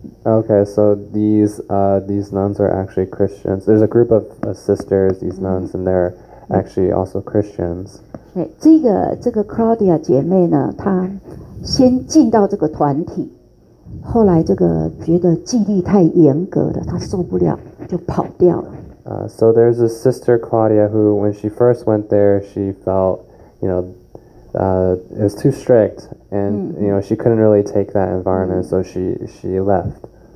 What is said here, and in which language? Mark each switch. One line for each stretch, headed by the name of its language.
English: Okay, so these nuns are actually Christians. There's a group of sisters, these nuns, and they're actually also Christians.
Chinese: 这个 Claudia 姐妹呢，她先进到这个团体，后来这个觉得纪律太严格了，她受不了，就跑掉了。
English: So there's a sister Claudia who, when she first went there, she felt, you know,it was too strict, and you know, she couldn't really take that environment, so she left.